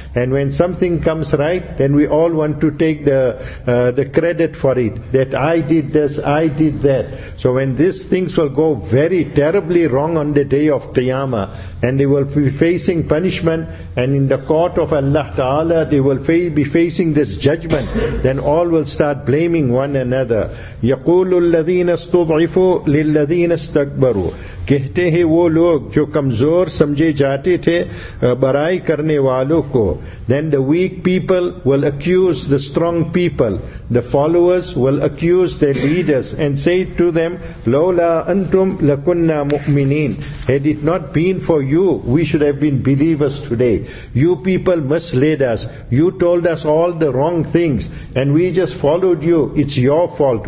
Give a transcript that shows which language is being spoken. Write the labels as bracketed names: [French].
[English] And when something comes right, then we all want to take the credit for it, that I did this, I did that. So when these things will go very terribly wrong on the day of Qiyamah, and they will be facing punishment, and in the court of Allah Ta'ala, they will be facing this judgment, then all will start blaming one another. [Arabic] يَقُولُ الَّذِينَ اسْتُضْعِفُوا لِلَّذِينَ اسْتَكْبَرُوا [Urdu] کہتے ہیں وہ لوگ جو کمزور سمجھے جاتے تھے برائی کرنے والوں کو. [English] Then the weak people will accuse the strong people. The followers will accuse their leaders and say to them, [Arabic] لَوْلَا أَنْتُمْ لَكُنَّا مُؤْمِنِينَ [English] Had it not been for you, we should have been believers today. You people misled us. You told us all the wrong things and we just followed you. It's your fault.